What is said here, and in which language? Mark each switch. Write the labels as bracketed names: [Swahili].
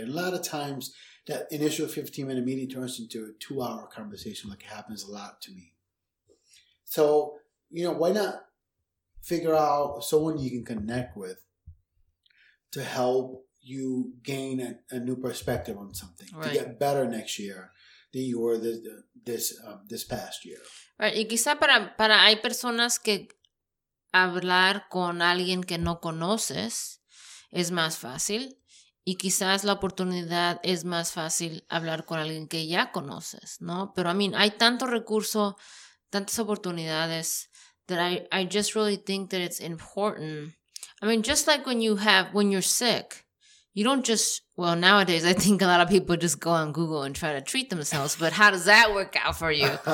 [English] And a lot of times that initial 15-minute meeting turns into a 2-hour conversation, like it happens a lot to me. So, you know, why not figure out someone you can connect with to help you gain a new perspective on something, right, to get better next year than you were this past year. Right. [Spanish] Y quizá para hay personas que hablar con alguien que no conoces es más fácil, y quizás la oportunidad es más fácil hablar con alguien que ya conoces, ¿no? Pero [English] I mean, [Spanish] hay tanto recurso, tantas oportunidades, [English] that I just really think that it's important. I mean, just like when you're sick, you don't just, well, nowadays, I think a lot of people just go on Google and try to treat themselves, but how does that work out for you?